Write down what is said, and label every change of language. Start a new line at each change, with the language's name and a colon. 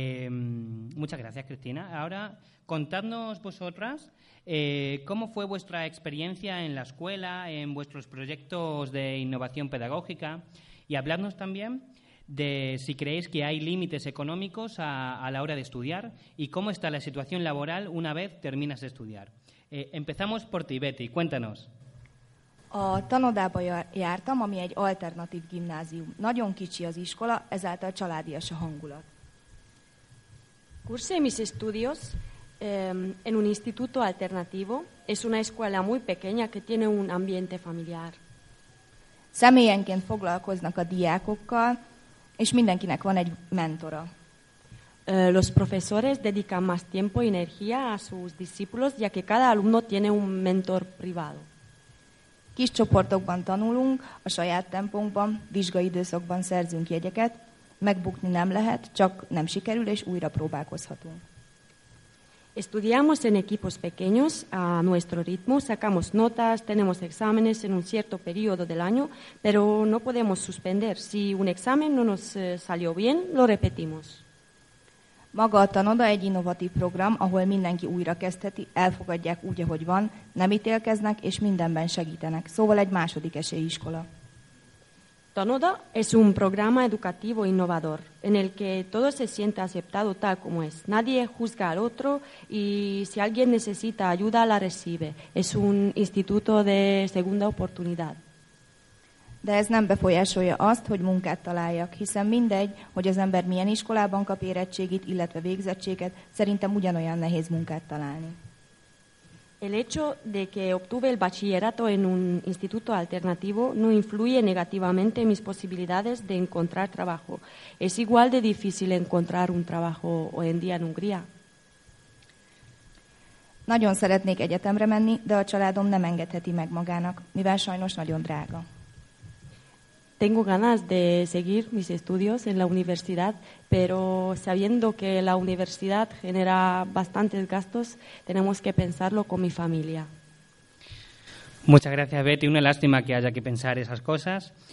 Spanish: Muchas gracias, Cristina. Ahora, contadnos vosotras cómo fue vuestra experiencia en la escuela, en vuestros proyectos de innovación pedagógica, y habladnos también de si creéis que hay límites económicos a la hora de estudiar y cómo está la situación laboral una vez terminas de estudiar. Empezamos por ti, Betty, cuéntanos.
Hungarian: A tanodába jártam, ami egy alternatív gimnázium. Nagyon kicsi az iskola, ezáltal családias a hangulat.
Spanish: Cursé mis estudios en un instituto alternativo. Es una escuela muy pequeña que tiene un ambiente familiar.
Hungarian: Személyenként foglalkoznak a diákokkal, és mindenkinek van egy mentora.
Spanish: Los profesores dedican más tiempo y energía a sus discípulos, ya que cada alumno tiene un mentor privado.
Hungarian: Kis csoportokban tanulunk, a saját tempónkban, vizsgaidőszakban szerzünk jegyeket. Megbukni nem lehet, csak nem sikerül, és újra próbálkozhatunk.
Spanish: Estudiamos en equipos pequeños, a nuestro ritmo, sacamos notas, tenemos exámenes en un cierto periodo del año, pero no podemos suspender. Si un examen no nos salió bien, lo repetimos.
Hungarian: Maga a tanoda egy innovatív program, ahol mindenki újrakezdheti, elfogadják úgy, ahogy van, nem ítélkeznek és mindenben segítenek. Szóval egy második esély iskola.
Spanish: Tanoda es un programa educativo innovador en el que todo se siente aceptado tal como es. Nadie juzga al otro y si alguien necesita ayuda la recibe. Es un instituto de segunda oportunidad.
Hungarian: De ez nem befolyásolja azt, hogy munkát találjak, hiszen mindegy, hogy az ember milyen iskolában kap érettségit, illetve végzettséget, szerintem ugyanolyan nehéz munkát találni.
Spanish: El hecho de que obtuve el bachillerato en un instituto alternativo no influye negativamente en mis posibilidades de encontrar trabajo. Es igual de difícil encontrar un trabajo hoy en día en Hungría.
Hungarian: Nagyon szeretnék egyetemre menni, de a családom nem engedheti meg magának, mivel sajnos nagyon drága.
Spanish: Tengo ganas de seguir mis estudios en la universidad, pero sabiendo que la universidad genera bastantes gastos, tenemos que pensarlo con mi familia. Muchas gracias, Betty. Una lástima que haya que pensar esas cosas.